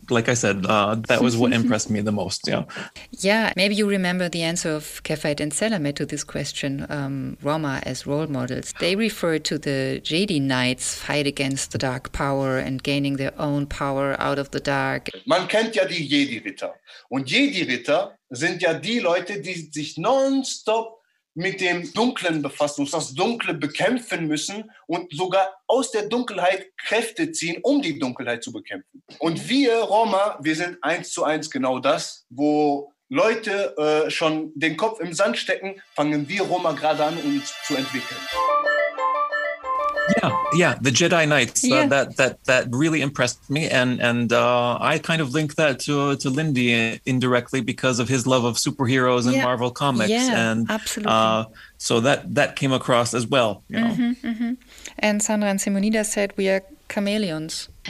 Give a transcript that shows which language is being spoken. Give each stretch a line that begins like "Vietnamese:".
English: Like I said, that was what impressed me the most, yeah. Yeah, maybe you remember the answer of Kefeit and Selame to this question, Roma as role models. They refer to the Jedi Knights' fight against the dark power and gaining their own power out of the dark.
German: Man kennt ja die Jedi-Ritter. Und Jedi-Ritter sind ja die Leute, die sich nonstop mit dem Dunklen befassen, das Dunkle bekämpfen müssen und sogar aus der Dunkelheit Kräfte ziehen, um die Dunkelheit zu bekämpfen. Und wir Roma, wir sind 1:1 genau das, wo Leute schon den Kopf im Sand stecken, fangen wir Roma gerade an, uns zu entwickeln.
English: Yeah, yeah, the Jedi Knights, that really impressed me. And I kind of link that to Lindy indirectly because of his love of superheroes and Marvel comics. Yeah, and absolutely. So that came across as well. And Sandra and Simonida said we are chameleons.